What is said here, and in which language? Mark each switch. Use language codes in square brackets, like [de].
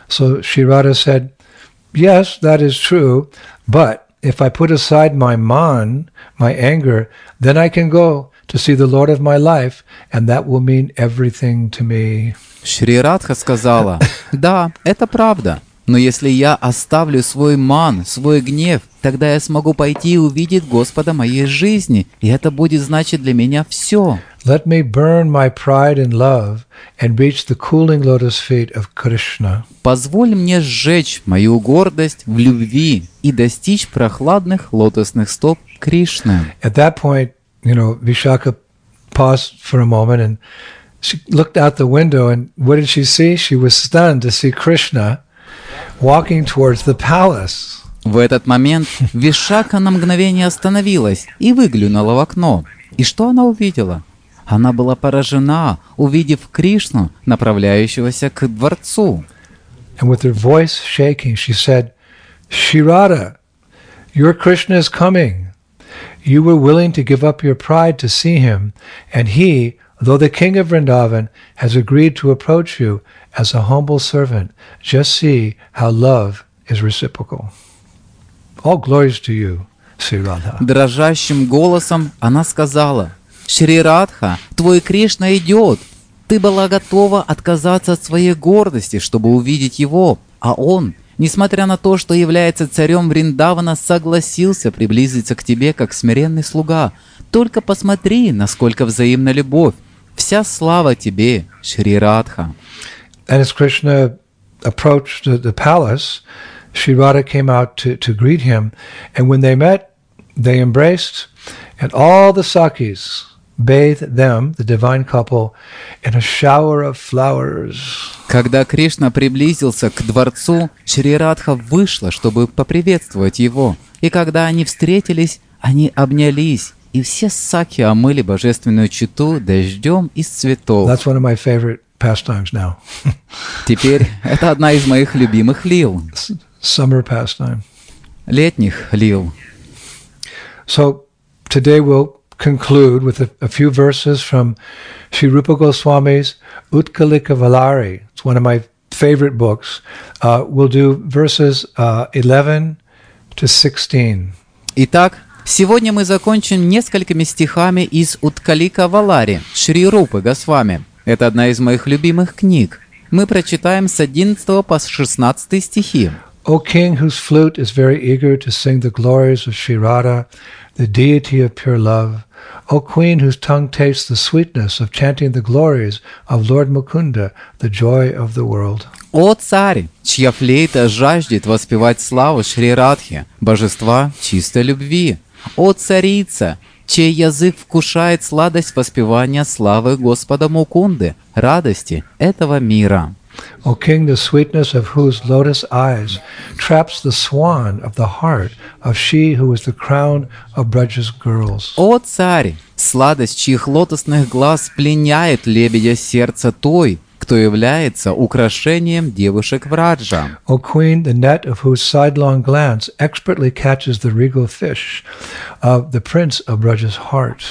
[en] So Shri Radha said, "Yes, that is true, but if I put aside my man, my anger, then I can go to see the Lord of my life, and that will mean everything to me." [ru] Шри Радха сказала: "Да, это правда. Но если я оставлю свой ман, свой гнев, тогда я смогу пойти и увидеть Господа моей жизни, и это будет значить для меня все." [en] Let me burn my pride and love and reach the cooling lotus feet of Krishna. [ru] Позволь мне сжечь мою гордость в любви и достичь прохладных лотосных стоп Кришны. [en] At that point, you know, Vishakha paused for a moment and she looked out the window, and what did she see? She was stunned to see Krishna walking towards the palace. [ru] В этот момент Вишакха на мгновение остановилась и выглянула в окно. И что она увидела? Она была поражена, увидев Кришну, направляющегося к дворцу. [en] And with her voice shaking, she said, "Shri Radha, your Krishna is coming. You were willing to give up your pride to see him, and he, though the king of Vrindavan, has agreed to approach you as a humble servant. Just see how love is reciprocal. All glories to you, Shri Radha." [ru] Дрожащим голосом она сказала: "Шри Радха, твой Кришна идет. Ты была готова отказаться от своей гордости, чтобы увидеть его, а он, несмотря на то, что является царем Вриндавана, согласился приблизиться к тебе как смиренный слуга. Только посмотри, насколько взаимна любовь. Вся слава тебе, Шри Радха." [en] And as Krishna approached the palace, Shri Radha came out to greet him, and when they met, they embraced, and all the sakis bathe them, the divine couple, in a shower of flowers. [ru] Когда Кришна приблизился к дворцу, Шри Радха вышла, чтобы поприветствовать его. И когда они встретились, они обнялись, и все сакхи омыли божественную чету дождем из цветов. [en] That's one of my favorite pastimes now. [ru] Теперь это одна из моих любимых лил. [en] Summer pastime. [ru] Летних лил. [en] So today we'll conclude with a few verses from Sri Rupa Goswami's Utkalika Valari. It's one of my favorite books. We'll do verses 11 to 16. [ru] Итак, сегодня мы закончим несколькими стихами из Уткалика Валари Шри Рупы Госвами. Это одна из моих любимых книг. Мы прочитаем с 11 по 16 стихи. [en] O king whose flute is very eager to sing the glories of Shri Radha, the deity of pure love, O queen whose tongue tastes the sweetness of chanting the glories of Lord Mukunda, the joy of the world. [ru] О царь, чья флейта жаждет воспевать славу Шри Радхи, божества чистой любви. О царица, чей язык вкушает сладость воспевания славы Господа Мукунды, радости этого мира. [en] O king, the sweetness of whose lotus eyes traps the swan of the heart of she who is the crown of Braj's girls. [ru] О царь, сладость чьих лотосных глаз пленяет лебедя сердца той, кто является украшением девушек Враджа. [en] O queen, the net of whose sidelong glance expertly catches the regal fish of the prince of Braj's heart.